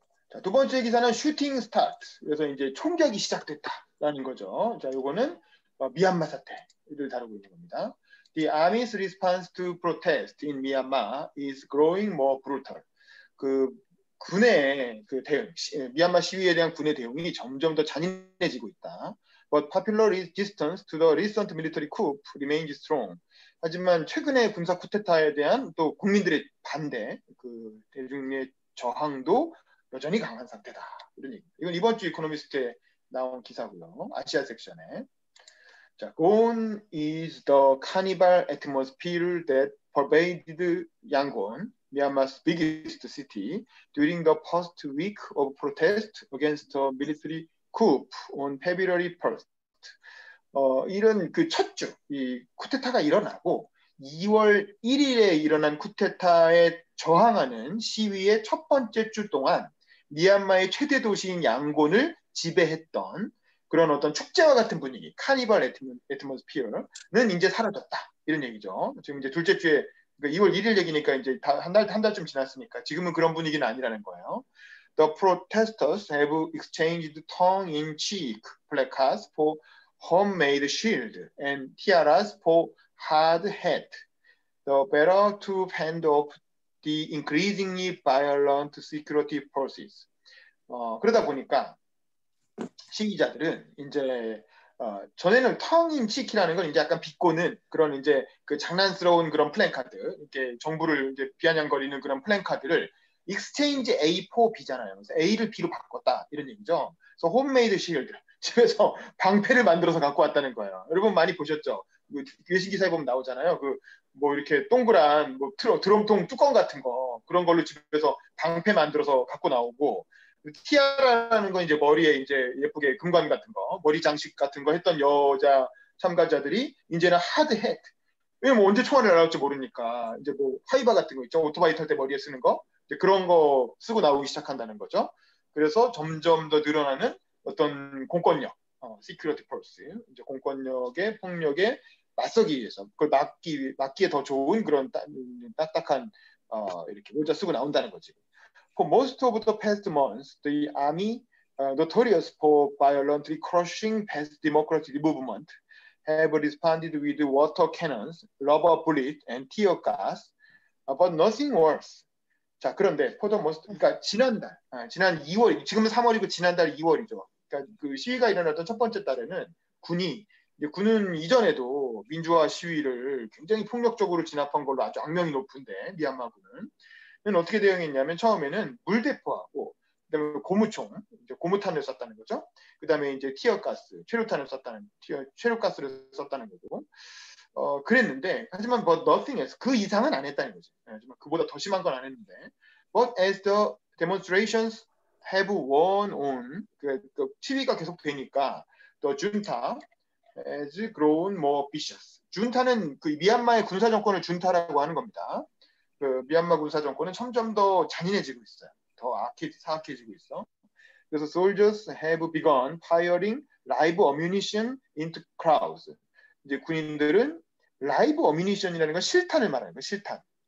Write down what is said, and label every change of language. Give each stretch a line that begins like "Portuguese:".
Korean: 자, 두 번째 기사는 슈팅 스타트. 그래서 이제 총격이 시작됐다라는 거죠. 자, 이거는 미얀마 사태를 다루고 있는 겁니다.
English: The army's response to protest in Myanmar is growing more brutal.
Korean: 그 군의 그 대응, 미얀마 시위에 대한 군의 대응이 점점 더 잔인해지고 있다.
English: But popular resistance to the recent military coup remains strong.
Korean: 하지만 최근의 군사 쿠데타에 대한 또 국민들의 반대, 그 대중의 저항도 여전히 강한 상태다. 이런 얘기. 이건 이번 주 이코노미스트에 나온 기사고요. 아시아 섹션에. 자,
English: gone is the carnival atmosphere that pervaded Yangon, Myanmar's biggest city, during the first week of protest against a military coup on February 1st.
Korean: 이런 그 첫 주, 이 쿠데타가 일어나고 2월 1일에 일어난 쿠데타에 저항하는 시위의 첫 번째 주 동안 미얀마의 최대 도시인 양곤을 지배했던 그런 어떤 축제와 같은 분위기, 카니발 애트모스피어는 이제 사라졌다. 이런 얘기죠. 지금 이제 둘째 주에, 그러니까 2월 1일 얘기니까 이제 다 한 달쯤 지났으니까 지금은 그런 분위기는 아니라는 거예요.
English: The protesters have exchanged tongue-in-cheek placards for homemade shield and tiaras for hard hat. The battle to fend off the increasingly violent security forces.
Korean: 그러다 보니까 시위자들은 이제 전에는 텅인 치키라는 건 이제 약간 비꼬는 그런 이제 그 장난스러운 그런 플랜카드, 이렇게 정부를 이제 비아냥거리는 그런 플랜카드를 익스체인지 A4 B잖아요. 그래서 A를 B로 바꿨다. 이런 얘기죠. 그래서 홈메이드 쉴드. 집에서 방패를 만들어서 갖고 왔다는 거예요. 여러분 많이 보셨죠? 외신 기사에 보면 나오잖아요. 그 뭐 이렇게 동그란 뭐 드럼통 뚜껑 같은 거 그런 걸로 집에서 방패 만들어서 갖고 나오고 티아라는 건 이제 머리에 이제 예쁘게 금관 같은 거, 머리 장식 같은 거 했던 여자 참가자들이 이제는 하드헷. 왜 뭐 언제 총알을 날아올지 모르니까 이제 뭐 하이바 같은 거 있죠. 오토바이 탈 때 머리에 쓰는 거. 이제 그런 거 쓰고 나오기 시작한다는 거죠. 그래서 점점 더 늘어나는 어떤 공권력, security force. 이제 공권력의 폭력에 맞서기 위해서 그걸 막기에 더 좋은 그런 딱딱한 이렇게 모자 쓰고 나온다는 거지.
English: For most of the past months, the army, notorious for violently crushing past democracy movement, have responded with water cannons, rubber bullets, and tear gas, but nothing worse.
Korean: 자, 그런데
English: for the most,
Korean: 그러니까 지난달, 지난 2월, 지금은 3월이고 지난달 2월이죠. 그러니까 그 시위가 일어났던 첫 번째 달에는 군이, 이제 군은 이전에도 민주화 시위를 굉장히 폭력적으로 진압한 걸로 아주 악명이 높은데 미얀마 군은. 어떻게 대응했냐면 처음에는 물대포하고 그다음에 고무총, 이제 고무탄을 썼다는 거죠. 그다음에 이제 티어가스, 최루탄을 썼다는 최루가스를 썼다는 거고. 그랬는데 하지만
English: but nothing else.
Korean: 그 이상은 안 했다는 거죠. 하지만 그보다 더 심한 건 안 했는데.
English: But as the demonstrations have worn on,
Korean: 그 시위가 계속 되니까
English: the junta has grown more vicious.
Korean: 준타는 그 미얀마의 군사 정권을 준타라고 하는 겁니다. 그 미얀마 군사 정권은 점점 더 잔인해지고 있어요. 더 사악해지고 있어. 그래서
English: soldiers have begun firing live ammunition into crowds.
Korean: 이제 군인들은 live ammunition이라는 건 실탄을 말하는 거예요. 실탄.